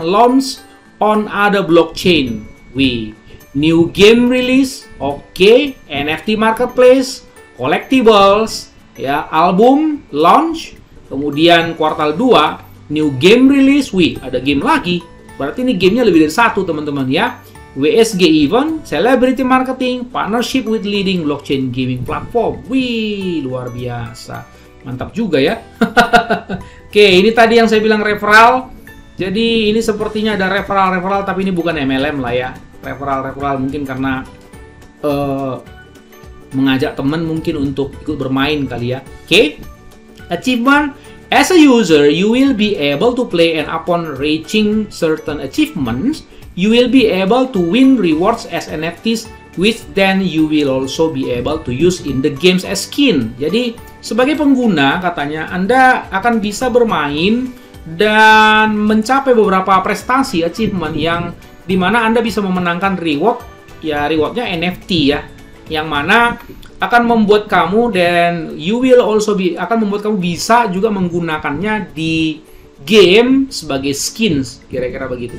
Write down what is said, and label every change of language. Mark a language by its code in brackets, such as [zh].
[en] Launch on other blockchain. Wih, new game release. Oke, NFT marketplace. Collectibles. [id] Ya, [en] album launch, [id] kemudian kuartal 2 [en] new game release. [id] Wih, ada game lagi. Berarti ini gamenya lebih dari satu, teman-teman ya. [en] WSG event, celebrity marketing, partnership with leading blockchain gaming platform. [id] Wih, luar biasa. Mantap juga ya. Oke, ini tadi yang saya bilang referral. Jadi ini sepertinya ada referral-referral, tapi ini bukan MLM lah ya. Referral-referral mungkin karena mengajak teman mungkin untuk ikut bermain kali ya. [en] Oke. Okay. Achievement. As a user, you will be able to play and upon reaching certain achievements, you will be able to win rewards as NFTs, which then you will also be able to use in the games as skin. [id] Jadi, sebagai pengguna, katanya Anda akan bisa bermain dan mencapai beberapa prestasi, achievement, yang dimana Anda bisa memenangkan reward, ya rewardnya NFT ya. Yang mana akan membuat kamu dan [en] you will also be [id] akan membuat kamu bisa juga menggunakannya di game sebagai skins, kira-kira begitu.